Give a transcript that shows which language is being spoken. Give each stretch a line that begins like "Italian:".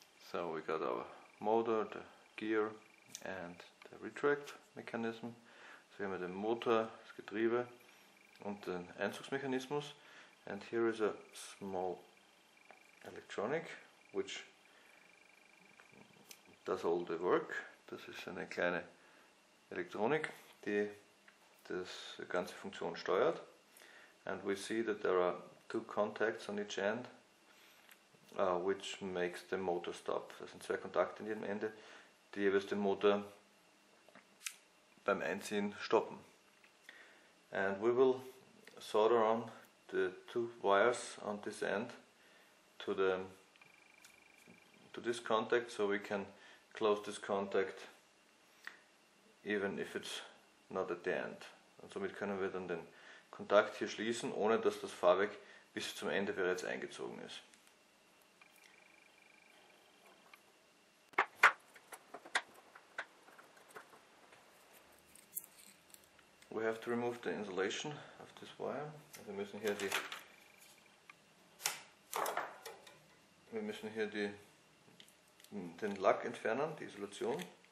English: So we got our motor, the gear and the retract mechanism. So here we have the motor,
German: das Getriebe und den Einzugsmechanismus.
English: And here is a small electronic which does all the work.
German: Das ist eine kleine Elektronik, die das ganze Funktion steuert.
English: And we see that there are two contacts on each end, which makes the motor stop.
German: Das sind zwei Kontakte an jedem Ende, die jeweils den Motor beim Einziehen stoppen.
English: And we will solder on the two wires on this end to this contact, so we can close this contact even if it's not at the end.
German: Und somit können wir dann den Kontakt hier schließen, ohne dass das Fahrwerk bis zum Ende bereits eingezogen ist.
English: We have to remove the insulation of this wire.
German: Wir müssen hier den Lack entfernen, die Isolation.